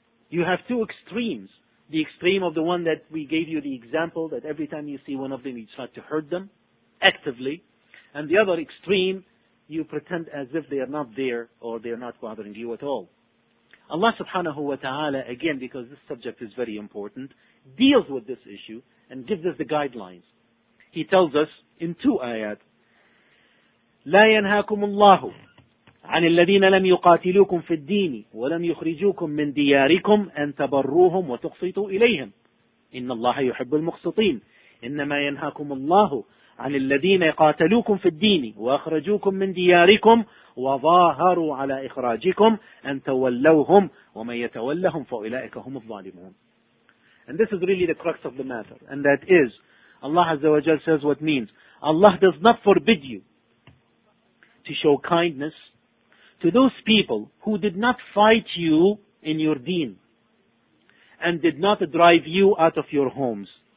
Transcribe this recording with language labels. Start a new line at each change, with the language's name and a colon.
English: You have two extremes. The extreme of the one that we gave you the example, that every time you see one of them, you start to hurt them actively. And the other extreme, you pretend as if they are not there or they are not bothering you at all. Allah subhanahu wa ta'ala, again, because this subject is very important, deals with this issue and gives us the guidelines. He tells us in two ayat,
Arabic: لا ينهاكم الله عن الذين لم يقاتلوكم في الدين ولم يخرجوكم من دياركم أن تبروهم وتقسطوا إليهم إن الله يحب المقسطين إنما ينهاكم الله عن الذين قاتلوكم في الدين وأخرجوكم من دياركم وظاهروا على إخراجكم أن تولوهم ومن يتولهم فأولئك هم الظالمون.
English: And this is really the crux of the matter. And that is, Allah Azza wa Jal says what means. Allah does not forbid you to show kindness to those people who did not fight you in your deen and did not drive you out of your homes.